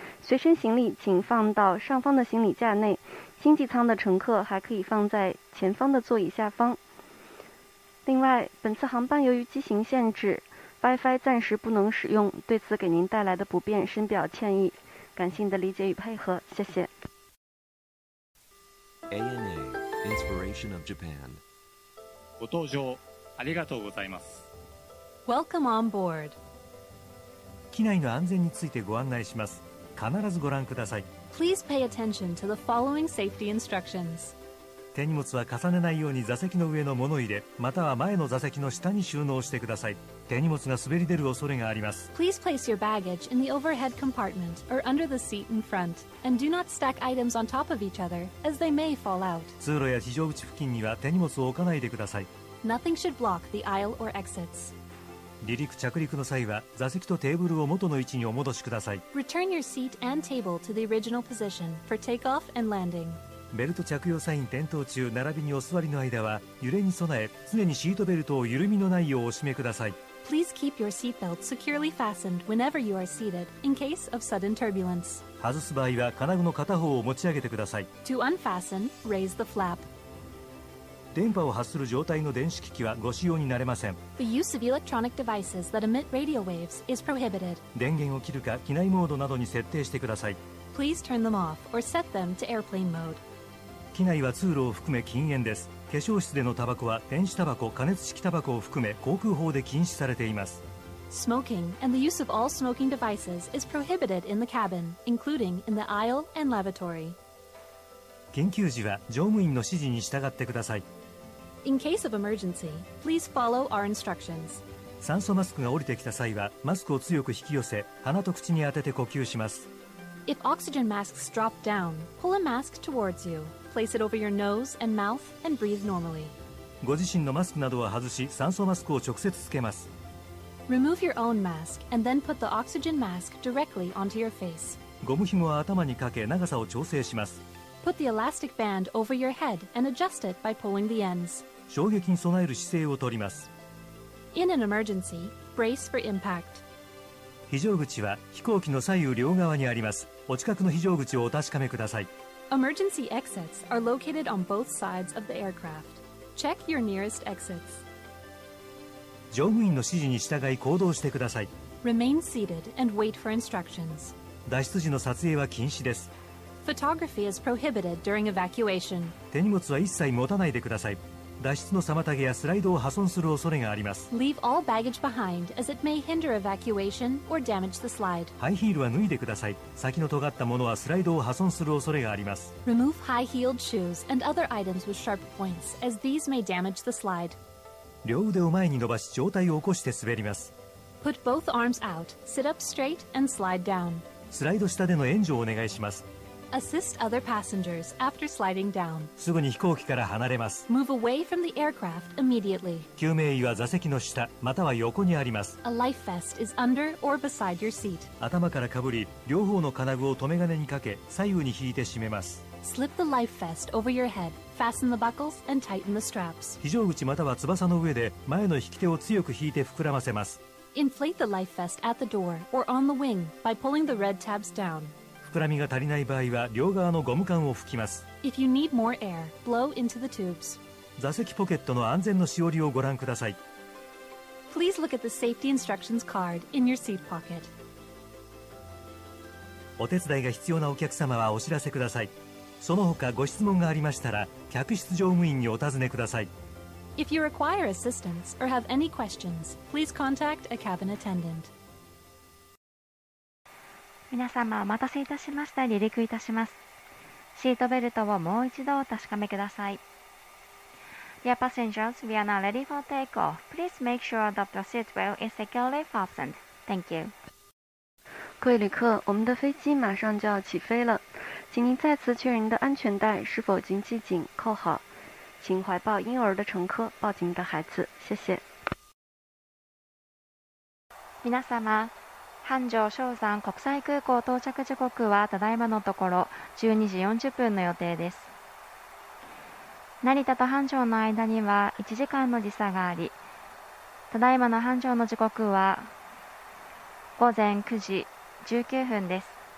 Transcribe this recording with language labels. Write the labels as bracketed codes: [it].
[zh] 随身行李请放到上方的行李架内，经济舱的乘客还可以放在前方的座椅下方。另外，本次航班由于机型限制 ，WiFi 暂时不能使用，对此给您带来的不便深表歉意，感谢您的理解与配合，谢谢。 [en] ANA Inspiration of Japan。 [ja] ご搭乗ありがとうございます。 [en] Welcome on board。 [ja] 機内の安全についてご案内します。必ずご覧ください。 [en] Please pay attention to the following safety instructions. [ja] 手荷物は重ねないように座席の上の物入れ、または前の座席の下に収納してください。手荷物が滑り出る恐れがあります。 [en] Please place your baggage in the overhead compartment or under the seat in front and do not stack items on top of each other as they may fall out. [ja] 通路や非常口付近には手荷物を置かないでください。 [en] Nothing should block the aisle or exits. [ja] 離陸着陸の際は座席とテーブルを元の位置にお戻しください。 [en] Return your seat and table to the original position for takeoff and landing. [ja] ベルト着用サイン点灯中並びにお座りの間は揺れに備え常にシートベルトを緩みのないようお締めください。 [en] Please keep your seatbelt securely fastened whenever you are seated in case of sudden turbulence. [ja] 外す場合は金具の片方を持ち上げてください。 [en] To unfasten, raise the flap. [ja] 電波を発する状態の電子機器はご使用になれません。 [en] The use of electronic devices that emit radio waves is prohibited. [ja] 電源を切るか機内モードなどに設定してください。 [en] Please turn them off or set them to airplane mode. [ja] 機内は通路を含め禁煙です。化粧室でのタバコは電子タバコ、加熱式タバコを含め航空法で禁止されています。 [en] Smoking and the use of all smoking devices is prohibited in the cabin, including in the aisle and lavatory. [ja] 緊急時は乗務員の指示に従ってください。 [en] In case of emergency, please follow our instructions. [ja] 酸素マスクが降りてきた際はマスクを強く引き寄せ鼻と口に当てて呼吸します。 [en] If oxygen masks drop down, pull a mask towards you. Place it over your nose and mouth and breathe normally. [ja] ご自身のマスクなどは外し、酸素マスクを直接つけます。 [en] Remove your own mask and then put the oxygen mask directly onto your face. [ja] ゴム紐は頭にかけ、長さを調整します。 [en] Put the elastic band over your head and adjust it by pulling the ends. [ja] 衝撃に備える姿勢をとります。 [en] In an emergency, brace for impact. [ja] 非常口は飛行機の左右両側にあります。お近くの非常口をお確かめください。 [en] Emergency exits are located on both sides of the aircraft. Check your nearest exits. [ja] 乗務員の指示に従い行動してください。 [en] Remain seated and wait for instructions. [ja] 脱出時の撮影は禁止です。 [en] Photography is prohibited during evacuation. [ja] 手荷物は一切持たないでください。脱出の妨げやスライドを破損する恐れがあります。 [en] Leave all baggage behind as it may hinder evacuation or damage the slide. [ja] ハイヒールは脱いでください。先の尖ったものはスライドを破損する恐れがあります。 [en] Remove high-heeled shoes and other items with sharp points as these may damage the slide. [ja] 両腕を前に伸ばし上体を起こして滑ります。 [en] Put both arms out, sit up straight and slide down. [ja] スライド下での援助をお願いします。 [en] Assist other passengers after sliding down. [ja] すぐに飛行機から離れます。 [en] Move away from the aircraft immediately. [ja] 救命衣は座席の下または横にあります。 [en] A life vest is under or beside your seat. [ja] 頭からかぶり、両方の金具を留め金にかけ、左右に引いて締めます。 [en] Slip the life vest over your head, fasten the buckles and tighten the straps. [ja] 非常口または翼の上で前の引き手を強く引いて膨らませます。 [en] Inflate the life vest at the door or on the wing by pulling the red tabs down. [ja] 膨らみが足りない場合は両側のゴム管を吹きます。 [en] If you need more air, blow into the tubes. [ja] 座席ポケットの安全のしおりをご覧ください。 [en] Please look at the safety instructions card in your seat pocket. [ja] お手伝いが必要なお客様はお知らせください。その他ご質問がありましたら客室乗務員にお尋ねください。 [en] If you require assistance or have any questions, please contact a cabin attendant. [ja] 皆様お待たせいたしました。離陸いたします。シートベルトをもう一度お確かめください。 [en] Dear passengers, we are now ready for takeoff. Please make sure that the seat belt is securely fastened. Thank you. [zh] 各位旅客，我们的飞机马上就要起飞了，请您再次确认您的安全带是否紧系紧扣好，请怀抱婴儿的乘客抱紧您的孩子，谢谢。 [ja] 皆様、繁盛昇山国際空港到着時刻はただいまのところ12時40分の予定です。成田と繁盛の間には1時間の時差があり、ただいまの繁盛の時刻は午前9時19分です。